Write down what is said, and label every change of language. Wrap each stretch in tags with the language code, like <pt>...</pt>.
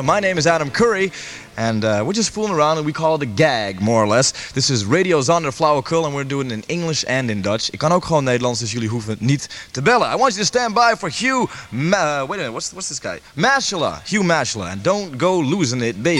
<en>My name is Adam Curry, and we're just fooling around, and we call it a gag, more or less. This is Radio Zonder Flauwekul, and we're doing it in English and in Dutch.</en> <nl>Ik kan ook gewoon Nederlands, dus jullie hoeven niet te bellen.</nl> <en>I want you to stand by for Hugh... what's this guy? Mashala, Hugh Mashala, and don't go losing it, baby.</en>